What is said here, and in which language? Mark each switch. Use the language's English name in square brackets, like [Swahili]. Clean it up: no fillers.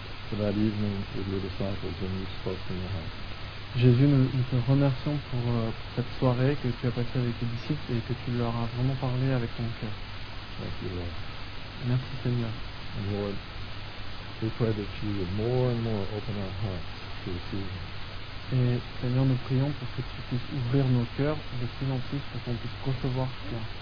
[English] For that evening with your disciples when you spoke from your heart. [French] Jésus, nous te remercions pour cette soirée que tu as passée avec tes disciples et que tu leur as vraiment parlé avec ton cœur. [English] Thank you, Lord. [French] Merci, Seigneur. [English] And Lord, we pray that you would more and more open our hearts to receive them. [French] Et Seigneur, nous prions pour que tu puisses ouvrir nos cœurs de plus en plus pour qu'on puisse recevoir toi.